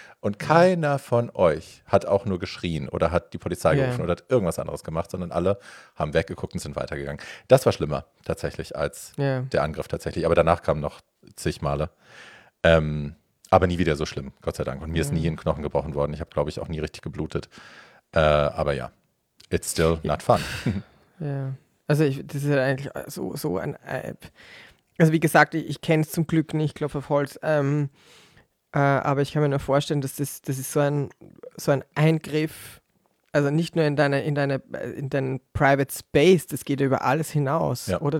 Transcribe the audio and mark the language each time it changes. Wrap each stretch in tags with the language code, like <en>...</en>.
<de>Und keiner von euch hat auch nur geschrien oder hat die Polizei gerufen oder hat irgendwas anderes gemacht, sondern alle haben weggeguckt und sind weitergegangen. Das war schlimmer tatsächlich als der Angriff tatsächlich. Aber danach kamen noch zig Male. Aber nie wieder so schlimm, Gott sei Dank. Und mir ist nie ein Knochen gebrochen worden. Ich habe, glaube ich, auch nie richtig geblutet. Aber ja,</de> <en>it's still not fun.</en> <de>Ja, also das ist ja eigentlich so ein App. Also wie gesagt, ich kenne es zum Glück nicht, ich klopfe auf Holz. Aber ich kann mir nur vorstellen, dass das ist so ein Eingriff, also nicht nur in deinen Private Space, das geht ja über alles hinaus, oder?</de>